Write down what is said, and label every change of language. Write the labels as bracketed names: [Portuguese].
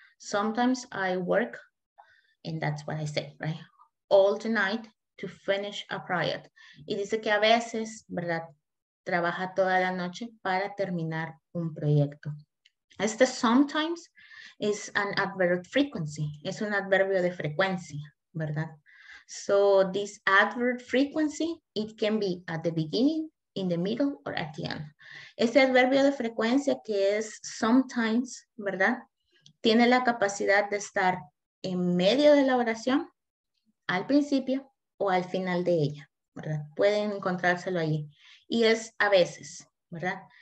[English] Sometimes I work, and that's what I say, right? All tonight. To finish a project. [Spanish] Y dice que a veces, ¿verdad? Trabaja toda la noche para terminar un proyecto. [English] Este sometimes is an adverb frequency. [Spanish] Es un adverbio de frecuencia, ¿verdad? [English] So this adverb frequency, it can be at the beginning, in the middle, or at the end. [Spanish] Este adverbio de frecuencia que es sometimes, ¿verdad? Tiene la capacidad de estar en medio de la oración, al principio, o al final de ella, ¿verdad? Pueden encontrárselo allí. Y es a veces, ¿verdad?